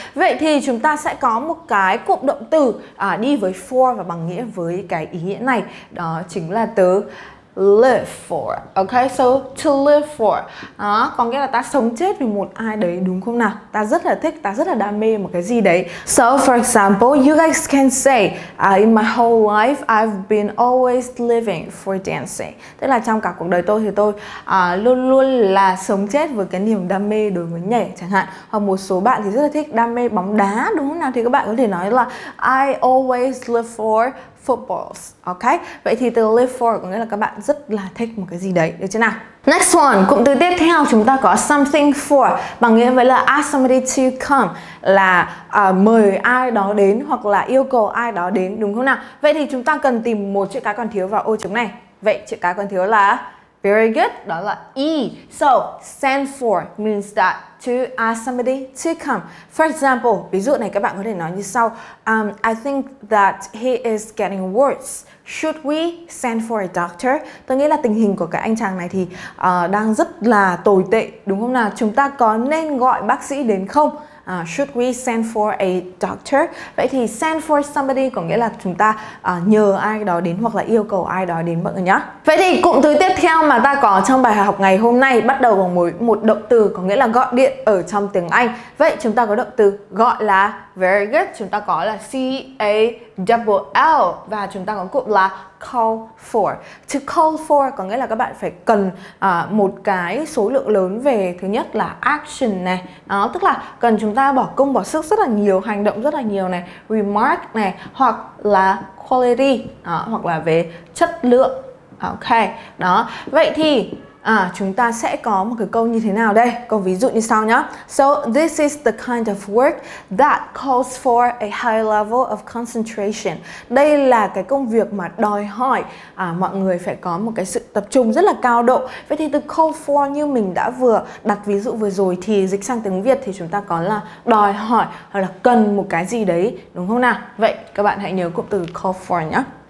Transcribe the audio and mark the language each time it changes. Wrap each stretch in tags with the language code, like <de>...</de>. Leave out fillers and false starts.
<vi>Vậy thì chúng ta sẽ có một cái cụm động từ đi với for và bằng nghĩa với cái ý nghĩa này, đó chính là từ live for. Ok,</vi> <en>so to live for</en> <vi>đó, có nghĩa là ta sống chết vì một ai đấy, đúng không nào? Ta rất là thích, ta rất là đam mê một cái gì đấy.</vi> <en>So for example, you guys can say in my whole life I've been always living for dancing.</en> <vi>Tức là trong cả cuộc đời tôi thì tôi luôn luôn là sống chết với cái niềm đam mê đối với nhảy chẳng hạn. Hoặc một số bạn thì rất là thích đam mê bóng đá, đúng không nào? Thì các bạn có thể nói là</vi> <en>I always live for footballs,</en> <vi>ok? Vậy thì từ live for có nghĩa là các bạn rất là thích một cái gì đấy, được chưa nào?</vi> <en>Next one,</en> <vi>cụm từ tiếp theo chúng ta có something for, bằng nghĩa với là</vi> <en>ask somebody to come,</en> <vi>là mời ai đó đến hoặc là yêu cầu ai đó đến, đúng không nào? Vậy thì chúng ta cần tìm một chữ cái còn thiếu vào ô trống này. Vậy chữ cái còn thiếu là</vi> <en>Very good,</en> <vi>đó là E.</vi> <en>So, send for means that to ask somebody to come. For example,</en> <vi>ví dụ này các bạn có thể nói như sau.</vi> <en>I think that he is getting worse. Should we send for a doctor?</en> <vi>Tôi nghĩ là tình hình của cái anh chàng này thì đang rất là tồi tệ, đúng không nào? Chúng ta có nên gọi bác sĩ đến không?</vi> <en>Should we send for a doctor?</en> <vi>Vậy thì send for somebody có nghĩa là chúng ta nhờ ai đó đến hoặc là yêu cầu ai đó đến, mọi người nhá. Vậy thì cụm từ tiếp theo mà ta có trong bài học ngày hôm nay bắt đầu bằng một động từ có nghĩa là gọi điện ở trong tiếng Anh. Vậy chúng ta có động từ gọi là,</vi> <en>very good,</en> <vi>chúng ta có là call, và chúng ta có cụm là call for. To call for có nghĩa là các bạn phải cần một cái số lượng lớn về, thứ nhất là action này, tức là cần chúng ta bỏ công bỏ sức rất là nhiều, hành động rất là nhiều này, remark này, hoặc là quality, hoặc là về chất lượng. Ok, đó. Vậy thì chúng ta sẽ có một cái câu như thế nào đây? Câu ví dụ như sau nhá.</vi> <en>So this is the kind of work that calls for a high level of concentration.</en> <vi>Đây là cái công việc mà đòi hỏi mọi người phải có một cái sự tập trung rất là cao độ. Vậy thì từ call for như mình đã vừa đặt ví dụ vừa rồi thì dịch sang tiếng Việt thì chúng ta có là đòi hỏi hoặc là cần một cái gì đấy, đúng không nào? Vậy các bạn hãy nhớ cụm từ call for nhá.</vi>